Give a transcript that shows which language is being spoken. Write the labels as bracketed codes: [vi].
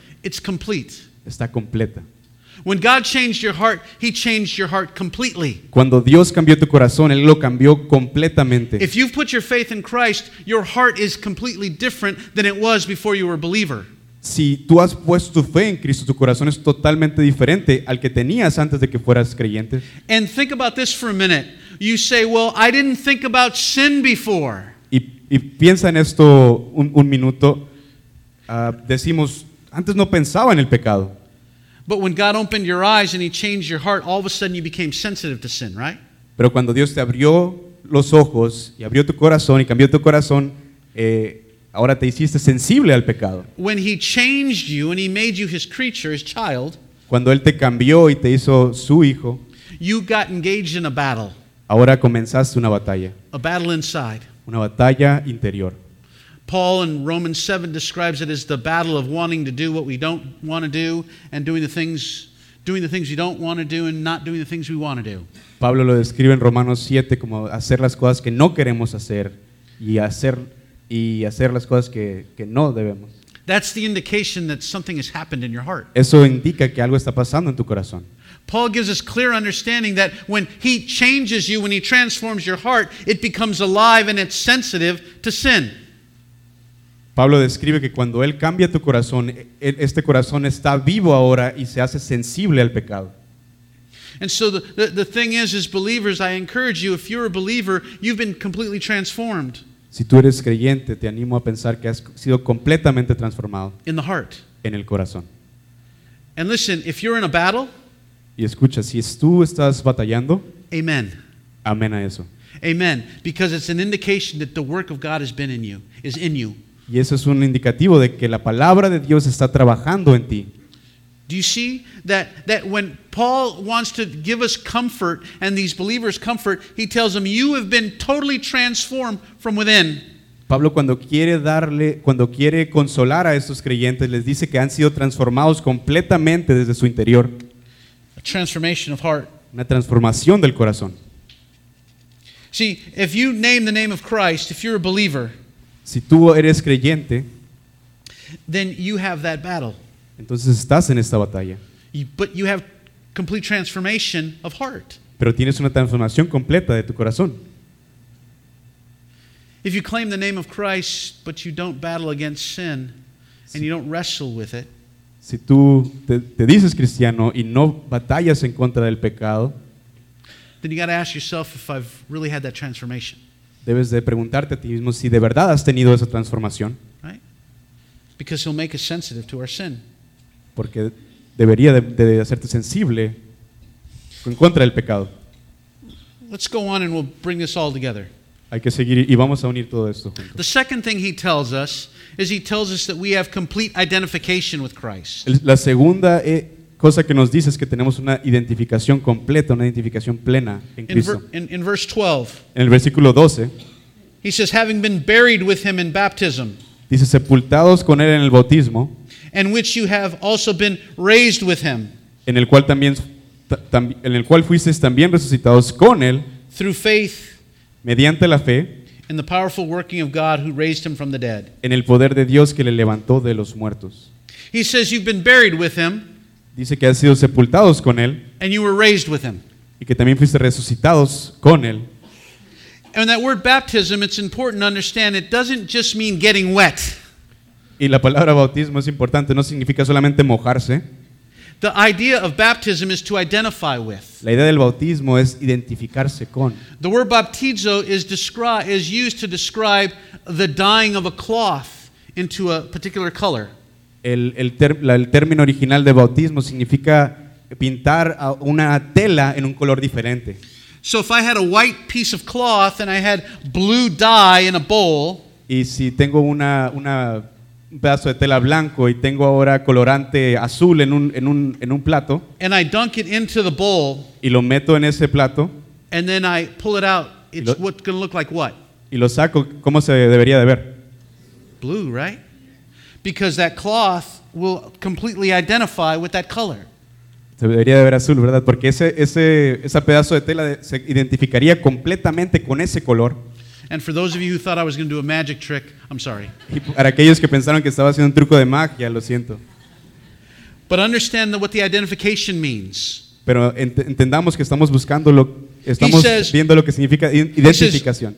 [en] It's complete. [es] Está completa. [en] When God changed your heart, he changed your heart completely. [es] Cuando Dios cambió tu corazón, él lo cambió completamente. [en] If you've put your faith in Christ, your heart is completely different than it was before you were a believer. [es] Si tú has puesto tu fe en Cristo, tu corazón es totalmente diferente al que tenías antes de que fueras creyente. [en] And think about this for a minute. You say, "Well, I didn't think about sin before." [es] Y piensa en esto un minuto. Decimos, antes no pensaba en el pecado. [en] But when God opened your eyes and he changed your heart, all of a sudden you became sensitive to sin, right? [es] Pero cuando Dios te abrió los ojos y abrió tu corazón y cambió tu corazón, ahora te hiciste sensible al pecado. [en] When he changed you and he made you his creature, his child, [es] cuando él te cambió y te hizo su hijo, [en] you got engaged in a battle. [es] Ahora comenzaste una batalla. [en] A battle inside. [es] Una batalla interior. [en] Paul in Romans 7 describes it as the battle of wanting to do what we don't want to do and doing the things we don't want to do and not doing the things we want to do. [es] Pablo lo describe en Romanos 7 como hacer las cosas que no queremos hacer y hacer las cosas que no debemos. [en] That's the indication that something has happened in your heart. [es] Eso indica que algo está pasando en tu corazón. [en] Paul gives us clear understanding that when he changes you, when he transforms your heart, it becomes alive and it's sensitive to sin. [es] Pablo describe que cuando él cambia tu corazón, este corazón está vivo ahora y se hace sensible al pecado. [en] And so the thing is, as believers, I encourage you, if you're a believer, you've been completely transformed. [es] Si tú eres creyente, te animo a pensar que has sido completamente transformado. [en] In the heart. [es] En el corazón. [en] And listen, if you're in a battle. [es] Y escucha, si tú estás batallando. [en] Amen. [es] Amén a eso. [en] Amen. Because it's an indication that the work of God has been in you, is in you. [es] Y eso es un indicativo de que la palabra de Dios está trabajando en ti. [en] Do you see that when Paul wants to give us comfort and these believers comfort, he tells them you have been totally transformed from within. [es] Pablo cuando quiere consolar a estos creyentes les dice que han sido transformados completamente desde su interior. [en] A transformation of heart. [es] Una transformación del corazón. [en] See, if you name the name of Christ, if you're a believer, [es] si tú eres creyente, [en] then you have that battle. [es] Entonces estás en esta batalla. [en] But you have complete transformation of heart. [es] Pero tienes una transformación completa de tu corazón. [en] If you claim the name of Christ, but you don't battle against sin, and you don't wrestle with it. [es] Si tú te dices cristiano y no batallas en contra del pecado, [en] then you got to ask yourself if I've really had that transformation. [es] Debes de preguntarte a ti mismo si de verdad has tenido esa transformación. [en] Right? Because he'll make us sensitive to our sin. [es] Porque debería de hacerte sensible en contra del pecado. [en] Let's go on and we'll bring this all together. [es] Hay que seguir y vamos a unir todo esto junto. [en] The second thing he tells us is he tells us that we have complete identification with Christ. [es] La segunda cosa que nos dice es que tenemos una identificación completa, una identificación plena en Cristo. [en] In verse 12. [es] En el versículo 12. [en] He says, having been buried with him in baptism. [es] Dice, sepultados con él en el bautismo. [en] And which you have also been raised with him. [es] En el cual también fuisteis también resucitados con él. [en] Through faith. [es] Mediante la fe. [en] In the powerful working of God who raised him from the dead. [es] En el poder de Dios que le levantó de los muertos. [en] He says you've been buried with him. [es] Dice que has sido sepultados con él. [en] And you were raised with him. [es] Y que también fuiste resucitados con él. [en] And that word baptism, it's important to understand, it doesn't just mean getting wet. [es] Y la palabra bautismo es importante, no significa solamente mojarse. [en] The idea of baptism is to identify with. [es] La idea del bautismo es identificarse con. [en] The word baptizo is used to describe the dyeing of a cloth into a particular color. [es] El término original de bautismo significa pintar a una tela en un color diferente. [en] So if I had a white piece of cloth and I had blue dye in a bowl. [es] Y si tengo una un pedazo de tela blanco y tengo ahora colorante azul en un plato. [en] And I dunk it into the bowl. [es] Y lo meto en ese plato. [en] And then I pull it out. It's what's going to look like what? [es] Y lo saco, ¿cómo se debería de ver? [en] Blue, right? Because that cloth will completely identify with that color. [es] Se debería de ver azul, ¿verdad? Porque ese pedazo de tela se identificaría completamente con ese color. [en] And for those of you who thought I was going to do a magic trick, I'm sorry. [es] Para aquellos que pensaron que estaba haciendo un truco de magia, lo siento. [en] But understand what the identification means. [es] Pero entendamos que estamos viendo lo que significa identificación.